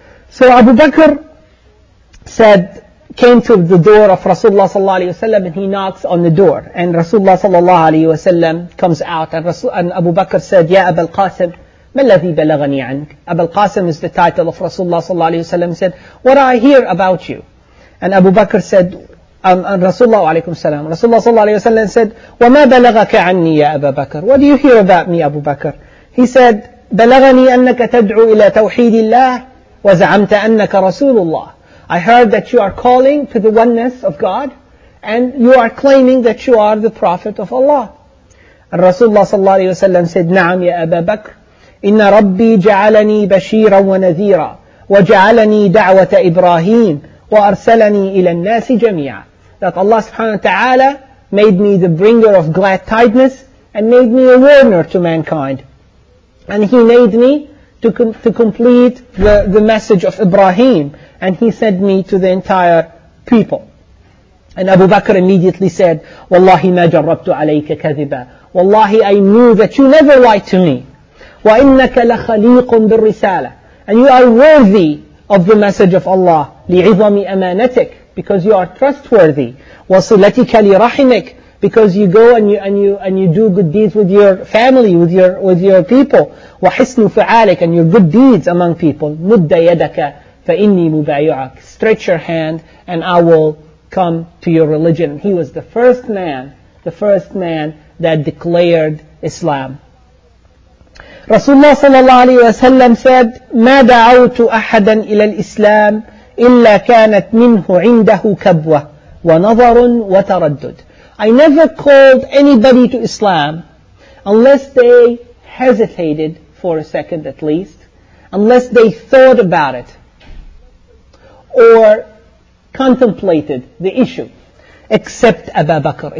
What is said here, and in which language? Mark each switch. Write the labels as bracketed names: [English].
[English] So Abu Bakr said, came to the door of Rasulullah sallallahu alaihi wasallam and he knocks on the door, and Rasulullah sallallahu alaihi wasallam comes out, and Abu Bakr said, Ya Abul Qasim, [Arabic] ما الذي بلغني عنك? [English] Abu al-Qasim is the title of Rasulullah sallallahu alayhi wa sallam. Said, what I hear about you? And Abu Bakr said, and Rasulullah alaykum salam. Rasulullah sallallahu alayhi wa sallam said, [Arabic] وما بلغك عني يا أبا بكر? [English] What do you hear about me, Abu Bakr? He said, [Arabic] بلغني أنك تدعو إلى توحيد الله وزعمت أنك رسول الله. [English] I heard that you are calling to the oneness of God and you are claiming that you are the prophet of Allah. And Rasulullah sallallahu alayhi wa sallam said, [Arabic] نعم يا أبا بكر. إن ربي جعلني بشيرا ونذيرا وجعلني دعوة إبراهيم وأرسلني إلى الناس جميعا. [English] That Allah subhanahu wa ta'ala made me the bringer of glad tidings and made me a warner to mankind. And He made me to complete the message of Ibrahim, and He sent me to the entire people. And Abu Bakr immediately said, [Arabic] وَاللَّهِ مَا جَرَّبْتُ عَلَيْكَ كَذِبًا. [English] Wallahi, I knew that you never lied to me. [Arabic] وَإِنَّكَ لَخَلِيقٌ بِالرِّسَالَةِ. [English] And you are worthy of the message of Allah. [Arabic] لِعِظَمِ أَمَانَتِكَ. [English] Because you are trustworthy. [Arabic] وَصِلَتِكَ لِرَحِمِكَ. [English] Because you go and you do good deeds with your family, with your people. [Arabic] وَحِسْنُ فَعَالِكَ. [English] And your good deeds among people. [Arabic] مُدَّ يَدَكَ فَإِنِّي مُبَايُعَكَ. [English] Stretch your hand and I will come to your religion. He was the first man that declared Islam. Rasulullah sallallahu alayhi wa sallam said, [Arabic] مَا دَعَوْتُ أَحَدًا إِلَى الْإِسْلَامِ إِلَّا كَانَتْ مِنْهُ عِنْدَهُ كَبْوَةٌ وَنَظَرٌ وَتَرَدُّدٌ. [English] I never called anybody to Islam unless they hesitated for a second at least, unless they thought about it or contemplated the issue, except Abu Bakr.